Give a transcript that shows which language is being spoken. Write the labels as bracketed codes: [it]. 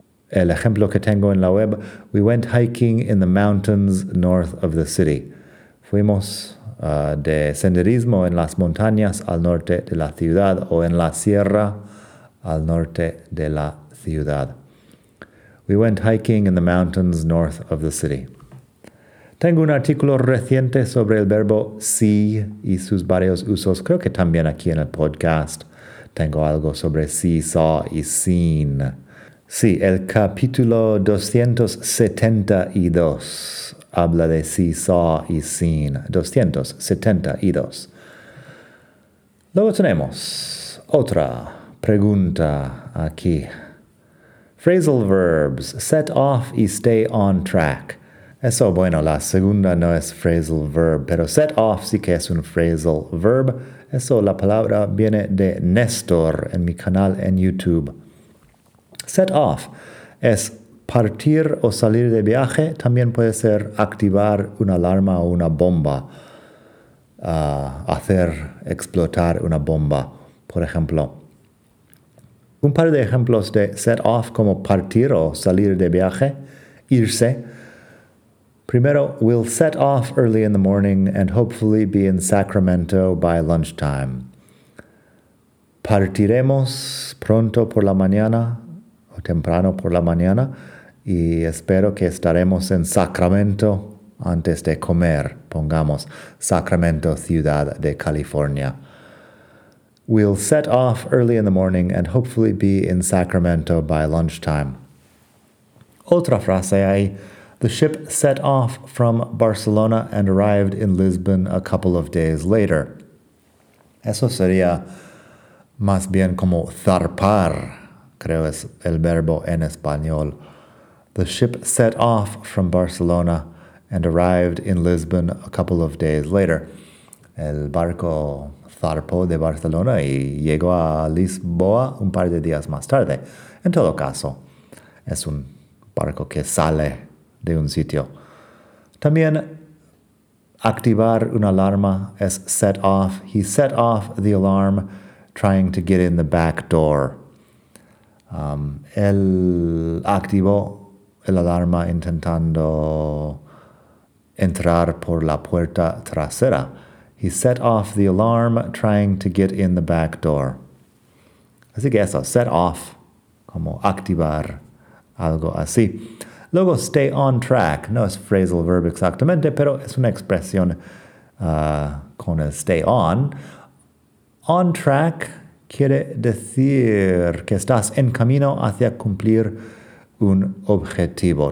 [es] El ejemplo que tengo en la web, [en] we went hiking in the mountains north of the city. [es] Fuimos de senderismo en las montañas al norte de la ciudad o en la sierra al norte de la ciudad. [en] We went hiking in the mountains north of the city. [es] Tengo un artículo reciente sobre el verbo see y sus varios usos. Creo que también aquí en el podcast tengo algo sobre see, saw y seen. Sí, el capítulo 272 habla de see, saw y seen. 272. Luego tenemos otra pregunta aquí. [en] Phrasal verbs, set off y stay on track. [es] Eso, bueno, la segunda no es phrasal verb, pero set off sí que es un phrasal verb. Eso, la palabra viene de Néstor en mi canal en YouTube. Set off es partir o salir de viaje. También puede ser activar una alarma o una bomba. Hacer explotar una bomba, por ejemplo. Un par de ejemplos de set off como partir o salir de viaje, irse. Primero, [en] we'll set off early in the morning and hopefully be in Sacramento by lunchtime. [es] Partiremos pronto por la mañana o temprano por la mañana y espero que estaremos en Sacramento antes de comer. Pongamos Sacramento, ciudad de California. [en] We'll set off early in the morning and hopefully be in Sacramento by lunchtime. [es] Otra frase ahí. [en] The ship set off from Barcelona and arrived in Lisbon a couple of days later. [es] Eso sería más bien como zarpar, creo es el verbo en español. [en] The ship set off from Barcelona and arrived in Lisbon a couple of days later. [es] El barco zarpó de Barcelona y llegó a Lisboa un par de días más tarde. En todo caso, es un barco que sale de un sitio. También activar una alarma es set off. [en] He set off the alarm trying to get in the back door. [es] Él activó el alarma intentando entrar por la puerta trasera. [en] He set off the alarm trying to get in the back door. [es] Así que eso, [en] set off [es] como activar algo así. Luego, stay on track. No es phrasal verb exactamente, pero es una expresión con el stay on. On track quiere decir que estás en camino hacia cumplir un objetivo.